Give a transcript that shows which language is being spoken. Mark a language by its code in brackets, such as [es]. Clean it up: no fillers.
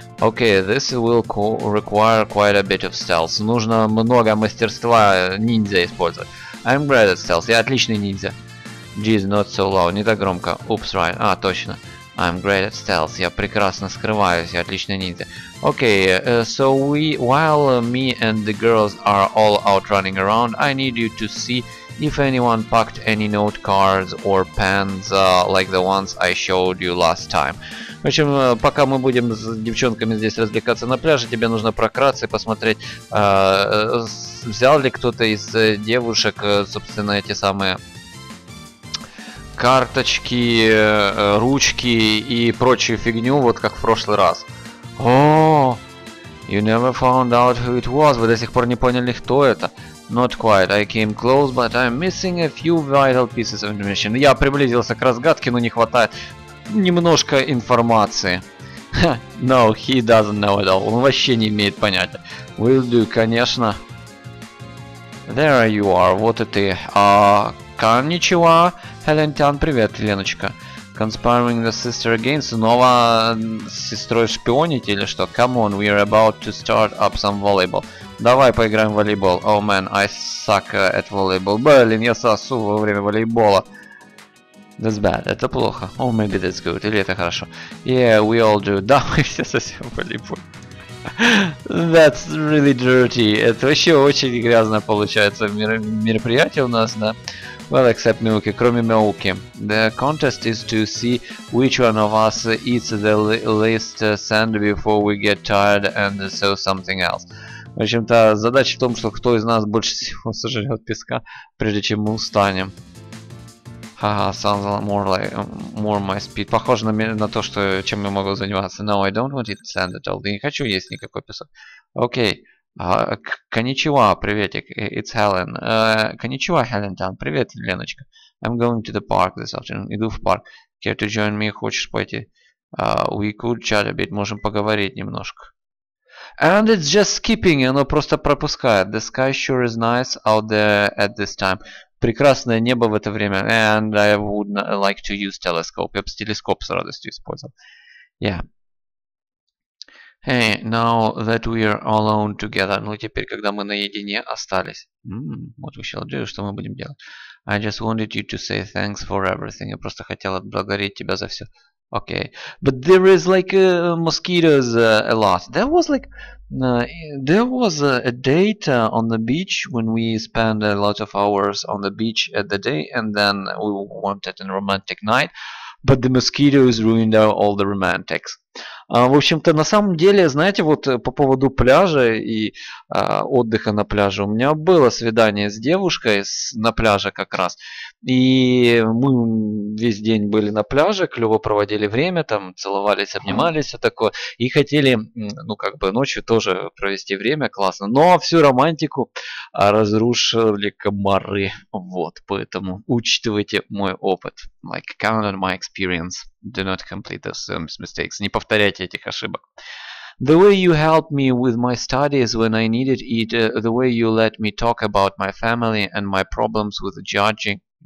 [en] Okay, this will require quite a bit of stealth. [ru] Нужно много мастерства ниндзя использовать. [en] I'm great at stealth. [ru] Я отличный ниндзя. [en] Geez, not so loud. [ru] Не так громко. [en] Oops, right. [ru] А, точно. [en] I'm great at stealth. [ru] Я прекрасно скрываюсь. Я отличный ниндзя. [en] Okay, so while me and the girls are all out running around, I need you to see if anyone packed any note cards or pens like the ones I showed you last time. [ru] В общем, пока мы будем с девчонками здесь развлекаться на пляже, тебе нужно прократься и посмотреть, взял ли кто-то из девушек, собственно, эти самые карточки, ручки и прочую фигню, вот как в прошлый раз. [en] You never found out who it was. [ru] Вы до сих пор не поняли, кто это. [en] Not quite. I came close, but I'm missing a few vital pieces of information. [ru] Я приблизился к разгадке, но не хватает немножко информации. [en] No, he doesn't know it all. [ru] Он вообще не имеет понятия. [en] Will do, конечно. There you are. [ru] Вот и ты. Конничива, Хелентян. Привет, Леночка. [en] Conspiring the sister against. [ru] Снова с сестрой шпионить или что? [en] Come on, we are about to start up some volleyball. [ru] Давай поиграем в волейбол. [en] Oh man, I suck at volleyball. [ru] Блин, я сосу во время волейбола. [en] That's bad. [ru] Это плохо. [en] Oh, maybe that's good. [ru] Или это хорошо. [en] Yeah, we all do. [ru] Да, мы все сосем волейбол. [en] That's really dirty. [ru] Это вообще очень грязно получается мероприятие у нас, да? [en] Well, except Miyuki. Кроме Miyuki. The contest is to see which one of us eats the least sand before we get tired and so something else. [ru] В общем-то, задача в том, что кто из нас больше всего сожрет песка, прежде чем мы устанем. [en] Ха-ха, sounds more my speed. [ru] Похоже на то, что чем я могу заниматься. [en] No, I don't want to sand at all. [ru] Я не хочу есть никакой песок. [en] Окей. [ru] Коничева, приветик. It's Helen. Коничева, Helen Town. Привет, Леночка. [en] I'm going to the park this afternoon. [ru] Иду в парк. [en] Care to join me? [ru] Хочешь пойти? [en] We could chat a bit. [ru] Можем поговорить немножко. [en] And it's just skipping, [ru] оно просто пропускает. [en] The sky sure is nice out there at this time. [ru] Прекрасное небо в это время. [en] And I would like to use telescope. [ru] Я бы телескоп с радостью использовал. [en] Yeah. Hey, now that we are alone together. [ru] Ну, теперь, когда мы наедине остались. [en] What we shall do? [ru] Что мы будем делать? [en] I just wanted you to say thanks for everything. [ru] Я просто хотел отблагодарить тебя за все. [en] Okay. But there is like mosquitoes a lot. There was like... there was a date on the beach when we spent a lot of hours on the beach at the day, and then we wanted a romantic night, but the mosquitoes ruined all the romantics. [ru] В общем-то, на самом деле, знаете, вот по поводу пляжа и отдыха на пляже, у меня было свидание с девушкой на пляже как раз, и мы весь день были на пляже, клево проводили время, там целовались, обнимались, все такое, и хотели, ну как бы, ночью тоже провести время, классно, но всю романтику разрушили комары, вот, поэтому учитывайте мой опыт. [en] Like, count on my experience. Do not complete those mistakes. [ru] Не повторяйте этих ошибок. [en] The way you helped me with my studies when I needed it, the way you let me talk about my family and my problems with judging.